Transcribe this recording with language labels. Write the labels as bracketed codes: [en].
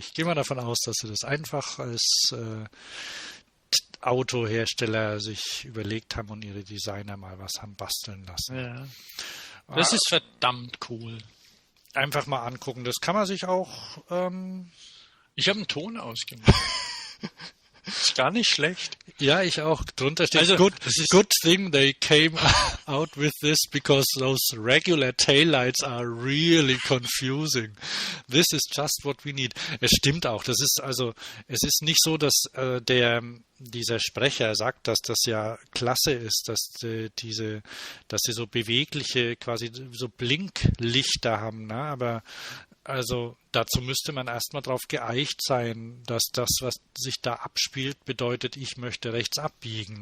[de] Ich gehe mal davon aus, dass sie das einfach als Autohersteller sich überlegt haben und ihre Designer mal was haben basteln lassen. Ja. Das ist verdammt cool. Einfach mal angucken, das kann man sich auch... Ich habe einen Ton ausgemacht. Ist gar nicht schlecht. Ja, ich auch. Drunter steht, also, [en] good thing they came out with this because those regular taillights are really confusing. This is just what we need. [de] Es stimmt auch. Das ist also, es ist nicht so, dass dieser Sprecher sagt, dass das ja klasse ist, dass sie so bewegliche, quasi so Blinklichter haben. Ne? Aber also dazu müsste man erstmal drauf geeicht sein, dass das, was sich da abspielt, bedeutet, ich möchte rechts abbiegen.